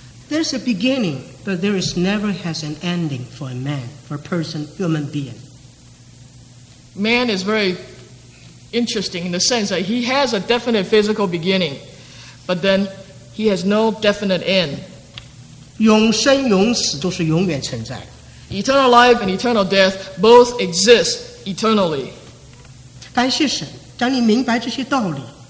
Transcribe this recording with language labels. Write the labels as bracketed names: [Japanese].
[English] There's a beginning, but there is never has an ending for a man, for a person, human being. Man is very interesting in the sense that he has a definite physical beginning, but then he has no definite end. [Chinese] 永生永死都是永远存在。 [English] Eternal life and eternal death both exist eternally. [Chinese] 感谢神，当你明白这些道理。